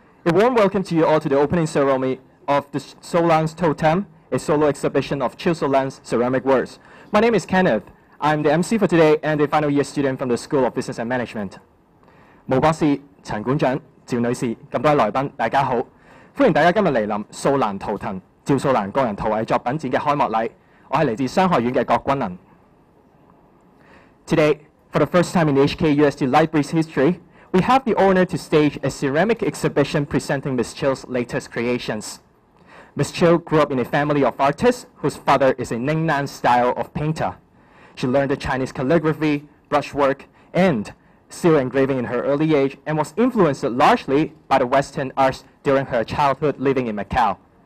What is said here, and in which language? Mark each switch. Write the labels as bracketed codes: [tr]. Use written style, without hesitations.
[en] A warm welcome to you all to the opening ceremony of the So-lan's Totem, a solo exhibition of Chiu So-lan's ceramic works. My name is Kenneth. I'm the MC for today and a final year student from the School of Business and Management. [yue] 毛博士、陳館長、趙女士、各位來賓，大家好！歡迎大家今日嚟臨素蘭圖騰、趙素蘭個人陶藝作品展嘅開幕禮。我係嚟自商學院嘅郭君能。 [en] Today, for the first time in HKUST Library's history, we have the honor to stage a ceramic exhibition presenting Ms. Chiu's latest creations. Ms. Chiu grew up in a family of artists whose father is a Ningnan style of painter. She learned the Chinese calligraphy, brushwork, and seal engraving in her early age and was influenced largely by the Western arts during her childhood living in Macau.